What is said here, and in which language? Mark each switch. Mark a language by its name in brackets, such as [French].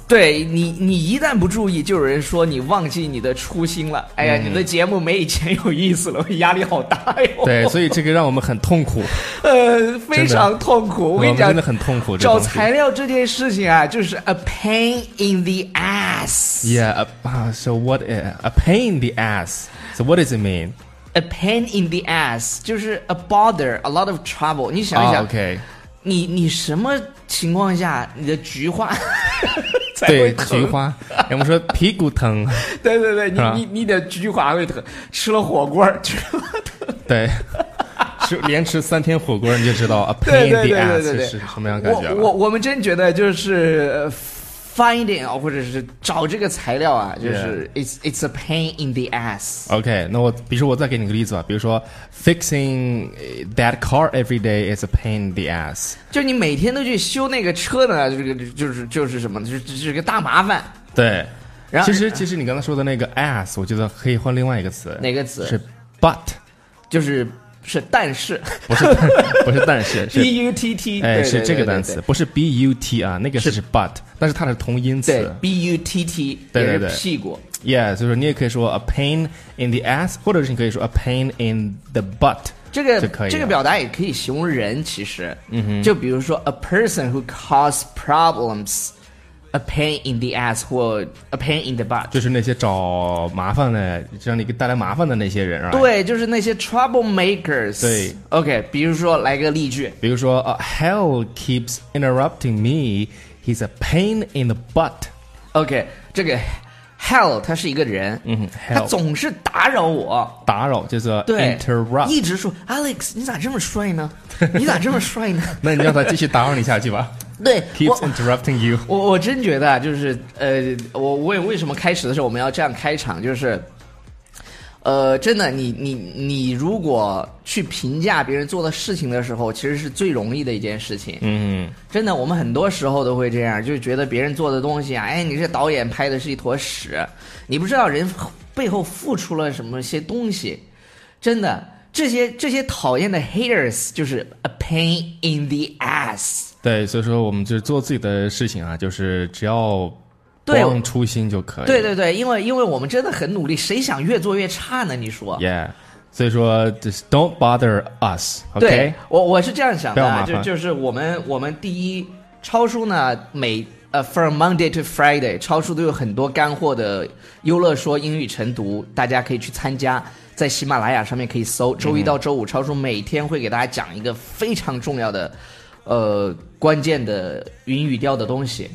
[Chinese] 对你一旦不注意，就有人说你忘记你的初心了，哎呀，你的节目没以前有意思了，压力好大哟。对，所以这个让我们很痛苦，非常痛苦。我跟你讲，真的很痛苦。找材料这件事情啊，就是 [English] a pain in the ass. Yeah, so what a pain in the ass. So what does it mean? A pain in the ass [Chinese] 就是 [English] a bother, a lot of trouble. [Chinese] 你想一想、 [English] oh, okay. [Chinese] 你什么情况下你的菊花才会疼？对，菊花我们说屁股疼。对对对，你的菊花会疼，吃了火锅菊花疼。对，吃连吃三天火锅你就知道 [English] a pain in the ass [Chinese] 是什么样感觉了。我们真觉得就是finding 或者是找这个材料啊，就是、 [English] yeah. it's a pain in the ass. OK, [Chinese] 那我比如说我再给你个例子吧， [English] 比如说 fixing that car every day is a pain in the ass. [Chinese] 就你每天都去修那个车呢，就是什么，就是个大麻烦。对，然后其实你刚才说的那个 ass, 我觉得可以换另外一个词。哪个词？是 but, 就是。是但是不是但是是 [English] butt, [Chinese] 哎，是这个单词，不是 but 啊，那个是 but, 但是它是同音词。对 butt, 对对对，屁股。 [English] Yeah, [Chinese] 所以说你也可以说 [English] a pain in the ass, [Chinese] 或者是你可以说 [English] a pain in the butt, 这个表达也可以形容人，其实，嗯哼， [Chinese] 就比如说 [English] a person who causes problems, a pain in the ass, 或 a pain in the butt, [Chinese] 就是那些找麻烦的，让你带来麻烦的那些人，对，就是那些 troublemakers. 对，OK, 比如说来个例句， [English] 比如说 ，Hell keeps interrupting me, he's a pain in the butt. [Chinese] OK, 这个 Hell 他是一个人，嗯哼，他总是打扰我，打扰就是 interrupt, 一直说 Alex, 你咋这么帅呢？你咋这么帅呢？那你让他继续打扰你下去吧。对 [English] ，keeps interrupting you. [Chinese] 我真觉得就是我问为什么开始的时候我们要这样开场，就是，真的，你如果去评价别人做的事情的时候，其实是最容易的一件事情。嗯，真的，我们很多时候都会这样，就觉得别人做的东西啊，哎，你这导演拍的是一坨屎，你不知道人背后付出了什么些东西，真的，这些讨厌的 haters 就是 [English] a pain in the ass。 [Chinese] 对，所以说我们就是做自己的事情啊，就是只要不忘初心就可以。对对对，因为我们真的很努力，谁想越做越差呢？你说 [English] ？Yeah, [Chinese] 所以说 [English] just don't bother us. OK, [Chinese] 对我是这样想的，就是我们第一，超叔呢每 [English] from Monday to Friday, [Chinese] 超叔都有很多干货的优乐说英语晨读，大家可以去参加。在喜马拉雅上面可以搜，周一到周五，超叔每天会给大家讲一个非常重要的，关键的云语调的东西。